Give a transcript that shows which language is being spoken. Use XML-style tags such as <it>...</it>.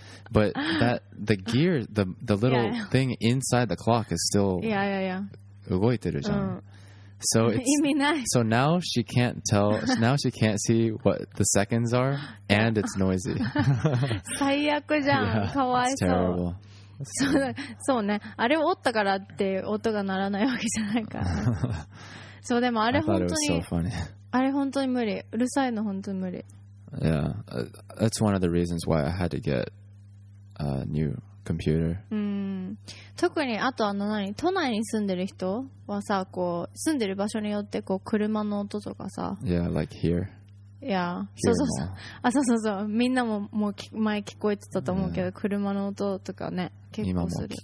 <en>But that the gear, the little thing inside the clock is still. Yeah, yeah, yeah.</en> <ja>動いてるじゃん。うん、</ja> <en>so it's,</en> <ja>意味ない。</ja> <en>So now she can't tell, now she can't see what the seconds are, and it's noisy.</en> <ja>最悪じゃん。Yeah, かわいそう。</ja> <en>It's terrible.</en> <ja>そう。そうね。あれを折ったからって音が鳴らないわけじゃないから。そう、でもあれ本当に。</ja> <en>I thought it was so funny.</en> <ja>あれ本当に無理。うるさいの本当に無理。</ja> <en>Yeah, that's one of the reasons why I had to get a new computer.</en> <ja>特にあとあの何、都内に住んでる人はさ、こう住んでる場所によってこう車の音とかさ、</ja> <en>Yeah, like here. Yeah, here</en> <ja>そうそうそう。あ、そうそうそう。みんなももう前聞こえてたと思うけど、yeah. 車の音とかね、結構する。</ja>